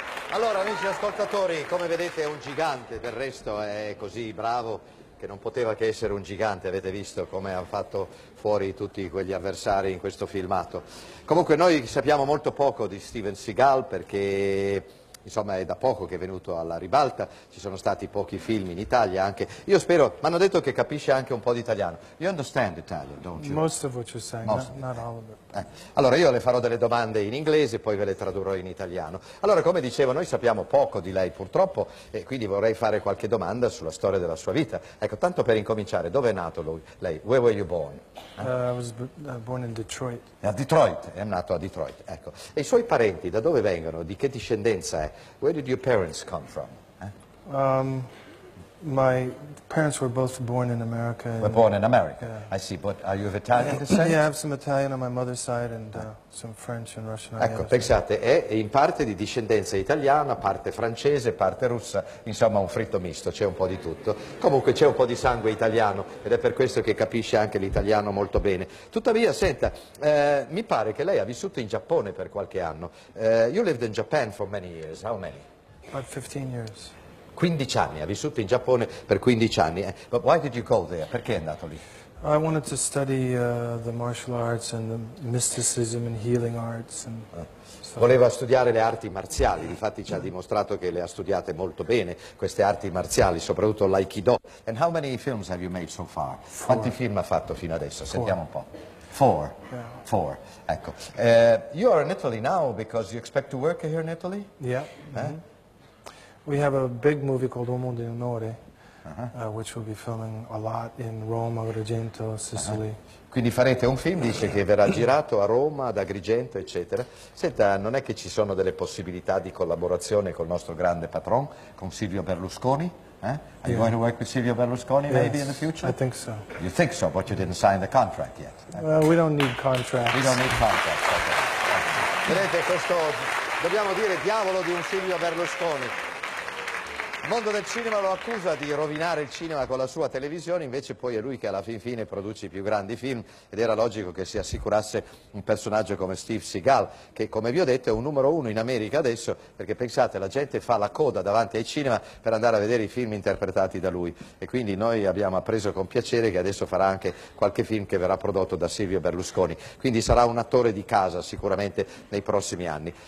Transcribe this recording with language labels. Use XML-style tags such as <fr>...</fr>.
<it>Allora, amici ascoltatori, come vedete è un gigante, del resto è così bravo che non poteva che essere un gigante, avete visto come ha fatto fuori tutti quegli avversari in questo filmato. Comunque noi sappiamo molto poco di Steven Seagal perché, insomma, è da poco che è venuto alla ribalta, ci sono stati pochi film in Italia anche. Io spero, mi hanno detto che capisce anche un po' di italiano.</it> <en>You understand Italian, don't you? Most of what you're saying, not all of it.</en> <it>Allora io le farò delle domande in inglese e poi ve le tradurrò in italiano. Allora, come dicevo, noi sappiamo poco di lei purtroppo e quindi vorrei fare qualche domanda sulla storia della sua vita. Ecco, tanto per incominciare, dove è nato lui?</it> <en>Lei, where were you born? I was born in Detroit.</en> <it>A Detroit, è nato a Detroit, ecco. E i suoi parenti da dove vengono? Di che discendenza è?</it> <en>Where did your parents come from? My parents were both born in America. Were born in America. Yeah. I see, but are you of Italian descent? Yeah, I have some Italian on my mother's side and some French and Russian.</en> <it>Ecco, pensate, è in parte di discendenza italiana, parte francese, parte russa, insomma un fritto misto, c'è un po' di tutto. Comunque c'è un po' di sangue italiano ed è per questo che capisce anche l'italiano molto bene. Tuttavia, senta, mi pare che lei ha vissuto in Giappone per qualche anno.</it> <en>You lived in Japan for many years, how many? About 15 years.</en> <it>15 anni, ha vissuto in Giappone per 15 anni.</it> <en>But why did you go there?</en> <it>Perché è andato lì?</it> <en>I wanted to study the martial arts and the mysticism and healing arts. And</en> <it>Voleva studiare le arti marziali, difatti ci ha dimostrato che le ha studiate molto bene, queste arti marziali, soprattutto l'aikido.</it> <en>And how many films have you made so far? Four.</en> <it>Quanti film ha fatto fino adesso?</it> <en>Four.</en> <it>Sentiamo un po'. Four.</it> <en>Yeah. Four. Ecco. You are in Italy now because you expect to work here in Italy? Yeah. Mm-hmm. We have a big movie called Uomo di Onore, which we'll be filming a lot in Roma, Agrigento, Sicily.</en> <it>Quindi farete un film, dice, che verrà girato a Roma, ad Agrigento, eccetera. Senta, non è che ci sono delle possibilità di collaborazione col nostro grande patron, con Silvio Berlusconi?</it> <en>Are you going to work with Silvio Berlusconi maybe in the future? I think so. You think so, but you didn't sign the contract yet. We don't need contracts. We don't need contracts, okay.</en> <it>Vedete, questo, dobbiamo dire, diavolo di un Silvio Berlusconi. Il mondo del cinema lo accusa di rovinare il cinema con la sua televisione, invece poi è lui che alla fin fine produce i più grandi film ed era logico che si assicurasse un personaggio come Steve Seagal, che come vi ho detto è un numero uno in America adesso, perché pensate, la gente fa la coda davanti ai cinema per andare a vedere i film interpretati da lui e quindi noi abbiamo appreso con piacere che adesso farà anche qualche film che verrà prodotto da Silvio Berlusconi, quindi sarà un attore di casa sicuramente nei prossimi anni.</it>